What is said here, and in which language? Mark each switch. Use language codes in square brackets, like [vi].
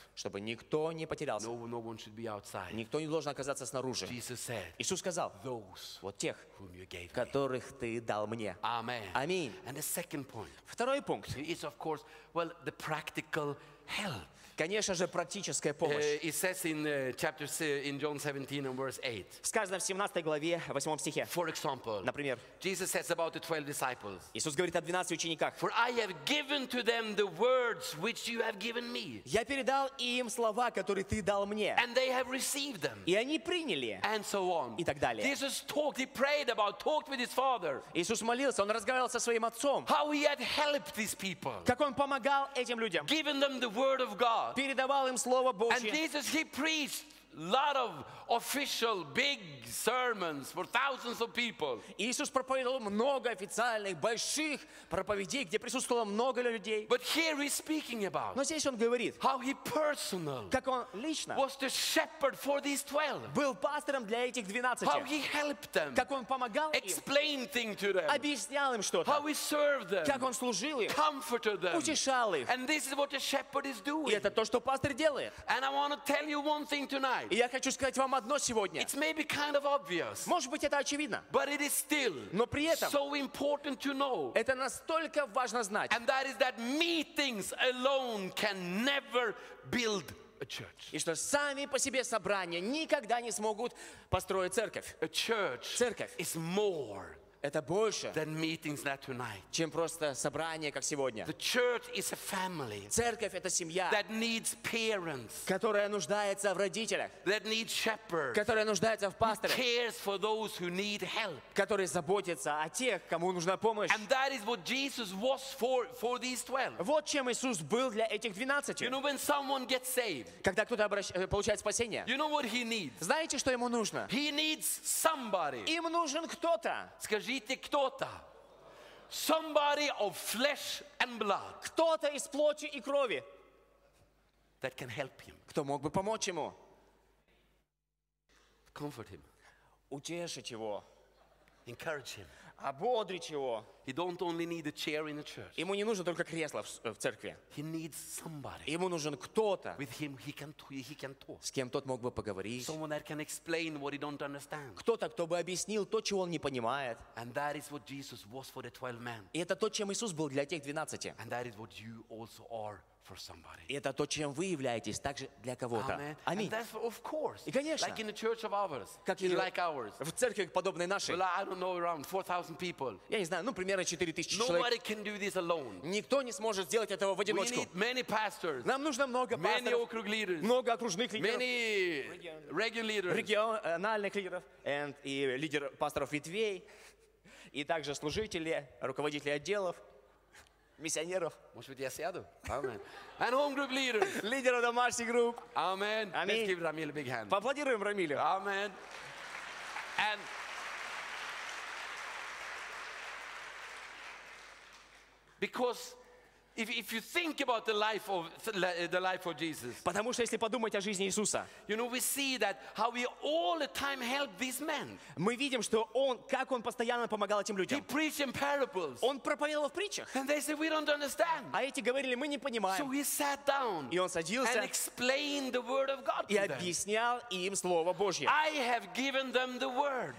[ru] Чтобы никто не потерялся. [en] No, no one should be outside. [ru] Никто не должен оказаться снаружи. [en] Jesus said, [ru] Иисус сказал, [en] those, [ru] вот тех, [en] whom you gave [ru] которых [en] me. [ru] Ты дал мне. Аминь. Аминь. [en] And the second point, [ru] второй пункт. [en] Is of course, well, the practical help. [ru] Конечно же, практическая помощь. [en] It says in, chapter, in John 17 and verse 8. [ru] Сказано в 17 главе, 8 стихе. [en] For example, [ru] например, [en] Jesus says about the 12 disciples. [ru] Иисус говорит о 12 учениках. [en] For I have given to them the words which you have given me. [ru] Я передал им слова, которые ты дал мне. [en] And they have received them. [ru] И они приняли. [en] And so on. [ru] И так далее. [en] Jesus talked, he prayed about, talked with his father. [ru] Иисус молился, он разговаривал со своим отцом. [en] How he had helped these people. [ru] Как он помогал этим людям. [en] Given them the word of God. [ru] Передавал им слово Божье. [en] And Jesus, he preached lot of official big sermons for thousands of people. [ru] Иисус проповедовал много официальных больших проповедей, где присутствовало много людей. [en] But here he's speaking about. [ru] Но здесь он говорит. [en] How he personal. [ru] Как он лично. [en] Was the shepherd for these 12. [ru] Был пастором для этих 12. [en] How he helped them. [ru] Как он помогал им. [en] Explained things to them. [ru] Объяснял им что-то. [en] How he served them. [ru] Как он служил им. [en] Comforted them. [ru] Утешал их. [en] And this is what a shepherd is doing. [ru] И это то, что пастор делает. [en] And I want to tell you one thing tonight. [ru] И я хочу сказать вам одно сегодня. [en] It may be kind of obvious, [ru] может быть, это очевидно. [en] But it is still [ru] но при этом [en] so important to know, [ru] это настолько важно знать. [en] And that is that meetings alone can never build a church. [ru] И что сами по себе собрания никогда не смогут построить церковь. [en] A church [ru] церковь [en] is more [ru] это больше, [en] than meetings that tonight. [ru] Чем просто собрание, как сегодня. [en] The church is a family. [ru] Церковь — это семья. [en] That needs parents. [ru] Которая нуждается в родителях. [en] That needs shepherds. [ru] Которая нуждается в пасторах. [en] Who cares for those who need help. [ru] Которые заботятся о тех, кому нужна помощь. [en] And that is what Jesus was for these 12. [ru] Вот чем Иисус был для этих 12. [en] You know, when someone gets saved. [ru] Когда кто-то получает спасение. [en] You know what he needs. [ru] Знаете, что ему нужно? [en] He needs somebody. [ru] Им нужен кто-то. Скажите, кто-то? [en] Somebody of flesh and blood. [ru] Кто-то из плоти и крови. [en] That can help him. [ru] Кто мог бы помочь ему? [en] Comfort him. [ru] Утешить его. [en] Encourage him. [ru] Ободрить его. [en] He don't only need a chair in the church. [ru] Ему не нужно только кресло в церкви. [en] He needs somebody. [ru] Ему нужен кто-то. [en] With him he can talk. [ru] С кем тот мог бы поговорить. [en] Someone that can explain what he don't understand. [ru] Кто-то, кто бы объяснил то, чего он не понимает. [en] And that is what Jesus was for the 12 men. [ru] И это то, чем Иисус был для тех 12. [en] And that is what you also are. For somebody. [ru] И это то, чем вы являетесь, также для кого-то. Аминь. [en] And of course, [ru] и конечно, [en] like in the church of ours, [ru] как и [en] like ours. [ru] В церкви подобной нашей. [en] Well, I don't know, around 4,000 people. [ru] Я не знаю, ну примерно 4,000 [en] Nobody [ru] человек. [en] Nobody can do this alone. [ru] Никто не сможет сделать этого в одиночку. [en] We need many pastors. [ru] Нам нужно много [en] many [ru] пасторов. [en] Many leaders. [ru] Много окружных лидеров. [en] Many regional leaders. [ru] Региональных лидеров. And и лидер пасторов ветвей. И также служители, руководители отделов. Миссионеров. Может быть, я сяду? [en] Amen. And home group leaders. [ru] Лидеры домашних групп. [en] Amen. [ru] Аминь. [en] Let's give Рамиль a big hand. [ru] Поаплодируем Рамилю. [en] Amen. And because if you think about the life of Jesus. [ru] Потому что если подумать о жизни Иисуса. [en] You know, we see that how he all the time helped these men. [ru] Мы видим, что он как он постоянно помогал этим людям. [en] He preached in parables. [ru] Он проповедовал в притчах. [en] And they said we don't understand. [ru] А эти говорили, мы не понимаем. [en] So he sat down. [ru] И он садился. [en] And explained the word of God. [ru] И объяснял им слово Божье. [en] I have given them the word.